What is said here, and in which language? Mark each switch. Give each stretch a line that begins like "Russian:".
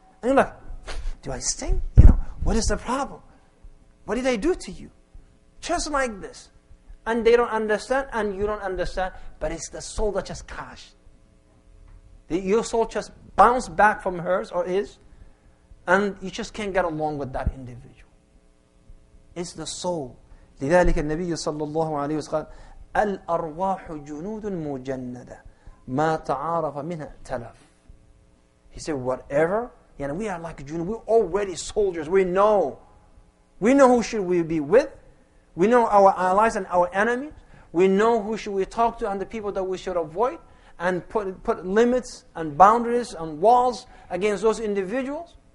English: And you're like, do I stink? What is the problem? What did they do to you? Just like this. And they don't understand, and you don't understand, but it's the soul that just crashed. Your soul just bounced back from hers or his, and you just can't get along with that individual. It's the soul.
Arabic: لذلك النبي صلى الله عليه وسلم الأرواح جنود مجندة ما تعارف منها تلف.
English: He said, whatever, we are like junud, we're already soldiers, we know We know who should we be with. We know our allies and our enemies. We know who should we talk to and the people that we should avoid, and put limits and boundaries and walls against those individuals.